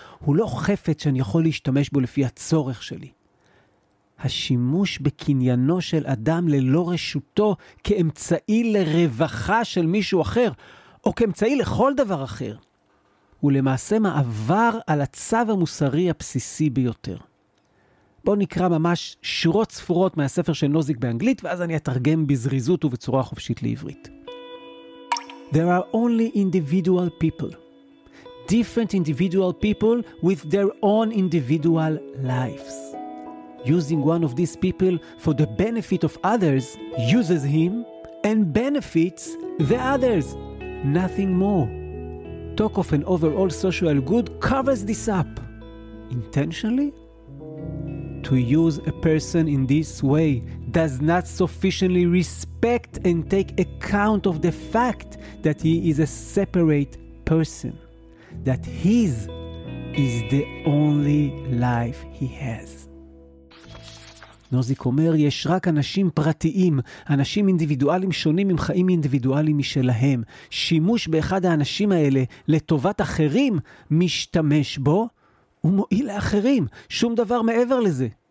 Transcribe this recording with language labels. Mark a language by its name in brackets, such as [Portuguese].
[Hebrew] הוא לא חפץ שאני יכול להשתמש בו לפי הצורך שלי. השימוש בקניינו של אדם ללא רשותו כאמצעי לרווחה של מישהו אחר, או כאמצעי לכל דבר אחר, הוא למעשה מעבר על הצו המוסרי הבסיסי ביותר. בואו נקרא ממש שורות ספורות מהספר של נוזיק באנגלית, ואז אני אתרגם בזריזות ובצורה חופשית לעברית. [English] There are only individual people. Different individual people with their own individual lives. Using one of these people for the benefit of others uses him and benefits the others. Nothing more. Talk of an overall social good covers this up. Intentionally? To use a person in this way does not sufficiently respect and take account of the fact that he is a separate person, that his is the only life he has. [Hebrew] נוזיק אומר, יש רק אנשים פרטיים, אנשים אינדיבידואלים שונים עם חיים אינדיבידואלים משלהם. שימוש באחד האנשים האלה לטובת אחרים משתמש בו ומועיל לאחרים, שום דבר מעבר לזה.